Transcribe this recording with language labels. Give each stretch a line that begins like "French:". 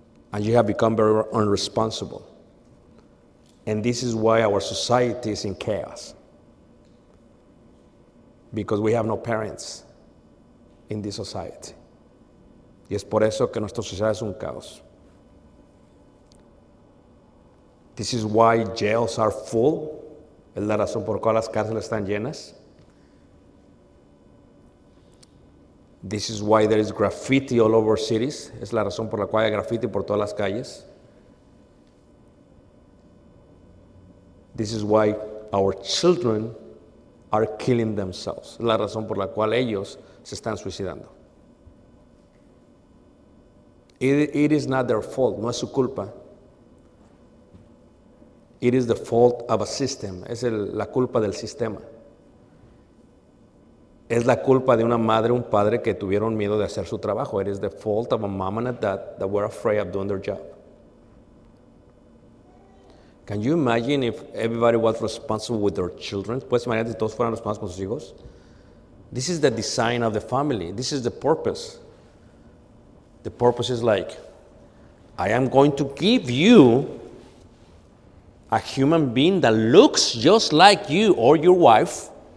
English: And you have become very unresponsible. And this is why our society is in chaos. Because we have no parents in this society.
Spanish: Y es por eso que nuestra sociedad es un caos.
English: This is why jails are full.
Spanish: Es la razón por la cual las cárceles están llenas.
English: This is why there is graffiti all over cities.
Spanish: Es la razón por la cual hay graffiti por todas las calles.
English: This is why our children are killing themselves.
Spanish: Es la razón por la cual ellos se están suicidando.
English: It is not their fault.
Spanish: No es su culpa.
English: It is the fault of a system.
Spanish: Es la culpa del sistema. Es la culpa de una madre, un padre que tuvieron miedo de hacer su trabajo.
English: It is the fault of a mom and a dad that were afraid of doing their job. Can you imagine if everybody was responsible with their children?
Spanish: ¿Puedes imaginar si todos fueran responsables con sus hijos?
English: This is the design of the family. This is the purpose. The purpose is like, I am going to give you a human being that looks just like you or your wife.